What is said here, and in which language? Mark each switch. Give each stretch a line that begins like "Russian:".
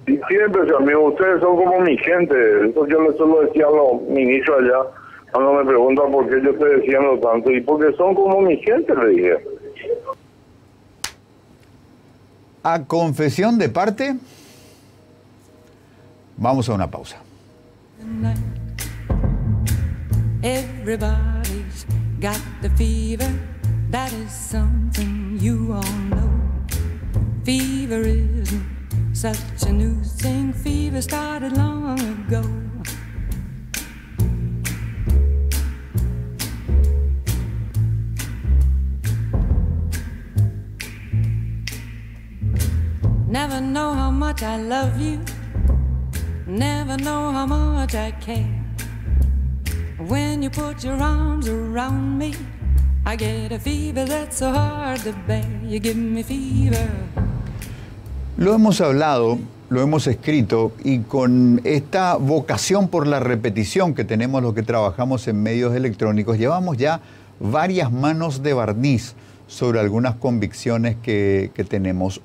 Spanish: Siempre, sí, amigo, ustedes son como mi gente. Eso yo les suelo decir a los ministros allá. Cuando me preguntan por qué yo estoy diciendo tanto, y porque son como mi gente, le dije. A confesión de parte, vamos a una pausa.
English: Everybody's got the fever, that is something you all know. Fever isn't such a new thing, fever started long ago. Never know how much I love you, never know how much I care. When you put your arms around me, I get a fever that's so hard to bear. You give me fever.
Spanish: Lo hemos hablado, lo hemos escrito, y con esta vocación por la repetición que tenemos los que trabajamos en medios electrónicos, llevamos ya varias manos de barniz sobre algunas convicciones que tenemos.